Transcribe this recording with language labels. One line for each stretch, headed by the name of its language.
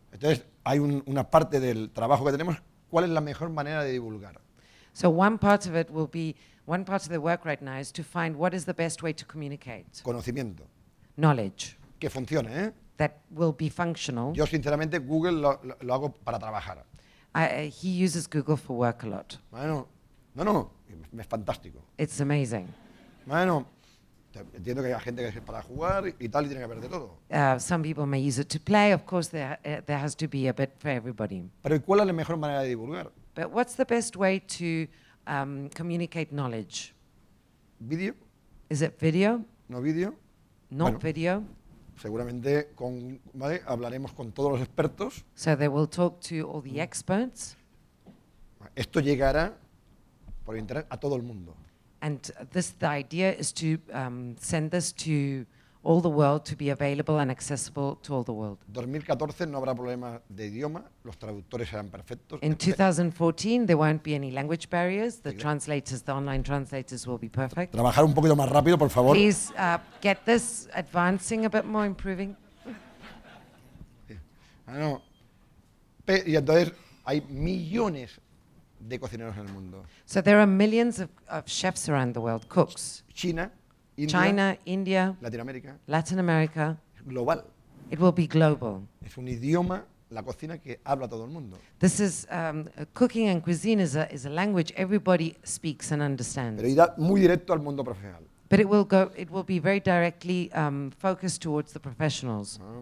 Spanish: Entonces, hay una parte del trabajo que tenemos. ¿Cuál es la mejor manera de divulgar?
English: So one part of it will be, one part of the work right now is to find what is the best way to communicate.
Spanish: Conocimiento.
English: Knowledge.
Spanish: Que funcione, ¿eh?
English: That will be functional.
Spanish: Yo, sinceramente, Google lo hago para trabajar.
English: He uses Google for work a lot.
Spanish: Bueno, no, es fantástico.
English: It's amazing.
Spanish: Bueno, entiendo que hay gente que es para jugar y tal y tiene que haber de todo.
English: Some people may use it to play. Of course, there has to be a bit for everybody.
Spanish: Pero ¿cuál es la mejor manera de divulgar?
English: But what's the best way to communicate knowledge?
Spanish: Video.
English: Is it video?
Spanish: No video.
English: Not
Spanish: bueno,
English: video.
Spanish: Seguramente con, ¿vale? Hablaremos con todos los expertos.
English: So they will talk to all the experts.
Spanish: Esto llegará por internet a todo el mundo.
English: And this, the idea is to send this to all the world to be available and accessible to all the world.
Spanish: 2014 no habrá problema de idioma, los traductores serán perfectos.
English: In 2014 there won't be any language barriers. The translators, the online translators will be perfect.
Spanish: Trabajar un poquito más rápido, por favor.
English: Please get this advancing a bit more, improving.
Spanish: No. Y entonces hay millones de cocineros en el mundo.
English: So there are millions of chefs around the world, cooks.
Spanish: China, India, Latinoamérica.
English: Latin America.
Spanish: Global.
English: It will be global.
Spanish: Es un idioma, la cocina que habla todo el mundo.
English: This is cooking and cuisine is a language everybody speaks and understands.
Spanish: Pero irá muy directo al mundo profesional.
English: But it will go, it will be very directly focused towards the professionals.